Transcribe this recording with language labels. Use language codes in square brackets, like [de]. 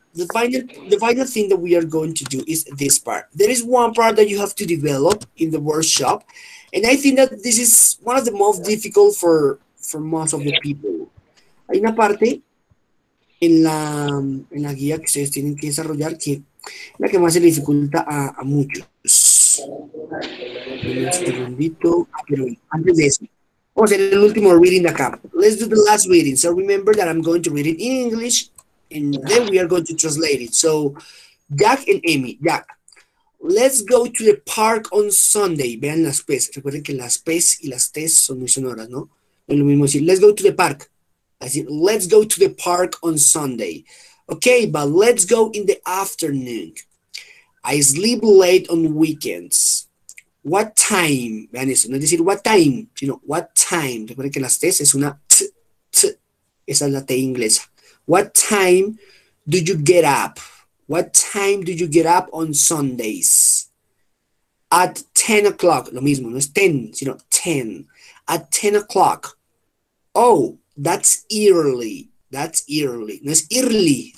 [en] The final thing that we are going to do is this part. There is one part that you have to develop in the workshop, and I think that this is one of the most difficult for most of the people. [es] Hay una parte en la guía que ustedes tienen que desarrollar que la que más se dificulta a muchos. Un segundito, pero antes de eso. Vamos a hacer el último reading acá. [en] Let's do the last reading. So remember that I'm going to read it in English, and then we are going to translate it. So, Jack and Amy. Jack, let's go to the park on Sunday. [es] Vean las P's. Recuerden que las P's y las T's son muy sonoras, ¿no? Es lo mismo decir, [en] let's go to the park. Así, let's go to the park on Sunday. Okay, but let's go in the afternoon. I sleep late on weekends. What time? [es] Vean eso, no es decir what time, sino what time. Recuerden que las T's es una T, T. Esa es la T inglesa. [en] What time do you get up? What time do you get up on Sundays? At 10 o'clock. [es] Lo mismo, no es 10, sino 10. [en] At 10 o'clock. Oh, that's early. That's early. [es] No es [en] early.